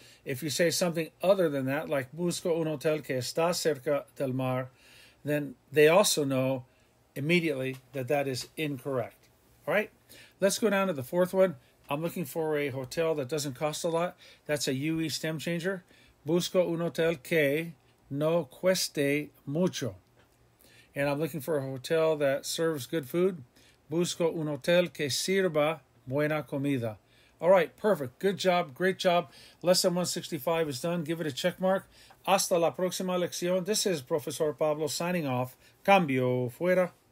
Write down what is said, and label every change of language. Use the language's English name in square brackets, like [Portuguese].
[English] If you say something other than that, like [Spanish] busco un hotel que está cerca del mar, [English] then they also know immediately that that is incorrect. All right, let's go down to the fourth one. I'm looking for a hotel that doesn't cost a lot. That's a UE stem changer. [Spanish] Busco un hotel que no cueste mucho. [English] And I'm looking for a hotel that serves good food. [Spanish] Busco un hotel que sirva buena comida. [English] All right, perfect. Good job. Great job. Lesson 165 is done. Give it a check mark. [Spanish] Hasta la próxima lección. [English] This is Profesor Pablo signing off. [Spanish] Cambio fuera.